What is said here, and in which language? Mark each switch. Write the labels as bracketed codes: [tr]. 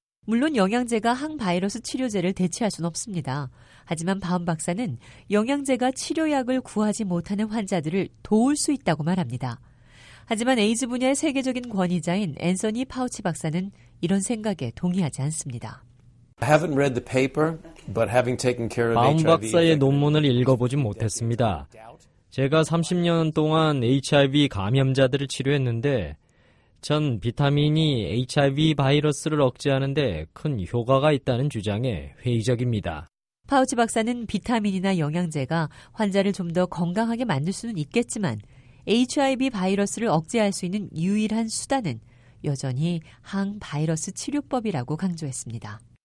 [ko] 물론 영양제가 항바이러스 치료제를 대체할 순 없습니다. 하지만 바움 박사는 영양제가 치료약을 구하지 못하는 환자들을 도울 수 있다고 말합니다. 하지만 에이즈 분야의 세계적인 권위자인 앤서니 파우치 박사는 이런 생각에 동의하지 않습니다. [en] I haven't read the paper, but having taken care of HIV, [ko] 바움 박사의 논문을 읽어보진 못했습니다. 제가 30년 동안 HIV 감염자들을 치료했는데 전 비타민이 HIV 바이러스를 억제하는 데 큰 효과가 있다는 주장에 회의적입니다. 파우치 박사는 비타민이나 영양제가 환자를 좀 더 건강하게 만들 수는 있겠지만 HIV 바이러스를 억제할 수 있는 유일한 수단은 여전히 항바이러스 치료법이라고 강조했습니다.